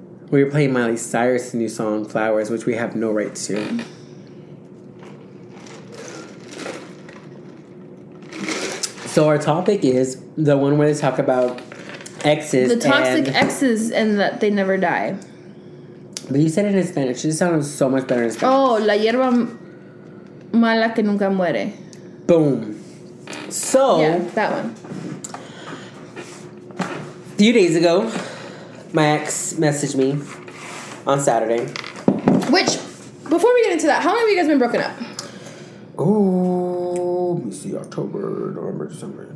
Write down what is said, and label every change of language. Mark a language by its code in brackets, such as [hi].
[en] We are playing Miley Cyrus' new song, Flowers, which we have no rights to. So our topic is the one where they talk about exes. The toxic exes and that they never die. But you said it in Spanish. It sounds so much better in Spanish. [es] Oh, la hierba mala que nunca muere. [en] Boom. So. Yeah, that one. A few days ago, my ex messaged me on Saturday. Which, before we get into that, how long have you guys been broken up? Ooh, let's see, October, November, December.